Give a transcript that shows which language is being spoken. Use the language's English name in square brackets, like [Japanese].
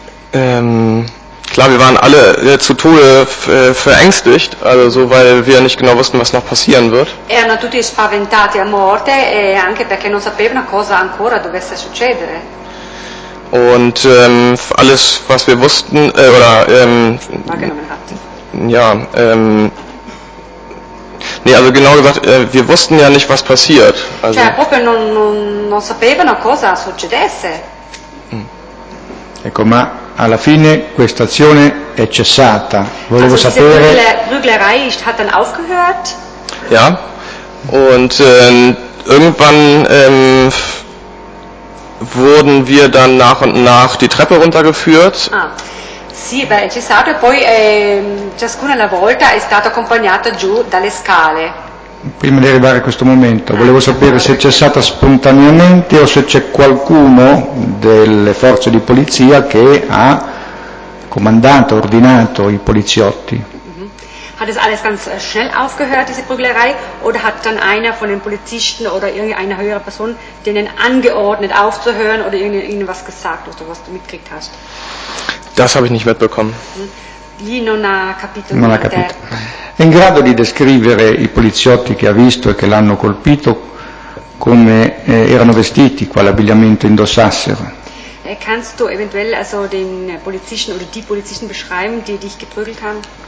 [German] Klar, wir waren alle zu Tode verängstigt, also so, weil wir nicht genau wussten, was noch passieren wird. [Italian] Erano tutti spaventati a morte e anche perché non sapevano cosa ancora dovesse succedere. [German] Und alles, was wir wussten, wir wussten ja nicht, was passiert. Also. [Italian] Cioè, proprio non sapevano cosa succedesse. Ecco, ma alla fine questa azione è cessata. Volevo [German] also, [Italian] sapere. [German] Diese Prügelerei hat dann aufgehört. Ja. Und irgendwann. Wurden wir dann nach und nach die Treppe runtergeführt? [Italian] Ah, sì, beh, c'è stato e poi ciascuna alla volta è stato accompagnato giù dalle scale. Prima di arrivare a questo momento, volevo sapere se è cessata spontaneamente o se c'è qualcuno delle forze di polizia che ha comandato, ordinato i poliziotti. [German] Hat es alles ganz schnell aufgehört, diese Prügelerei, oder hat dann einer von den Polizisten oder irgendeine höhere Person denen angeordnet aufzuhören oder ihnen was gesagt, oder was du mitgekriegt hast? Das habe ich nicht mitbekommen. [Italian] Lì non ha capito. Non ha capito. È in grado di descrivere i poliziotti che ha visto e che l'hanno colpito come erano vestiti, quale abbigliamento indossassero? [German] Kannst du eventuell also den Polizisten oder die Polizisten beschreiben, die dich geprügelt haben?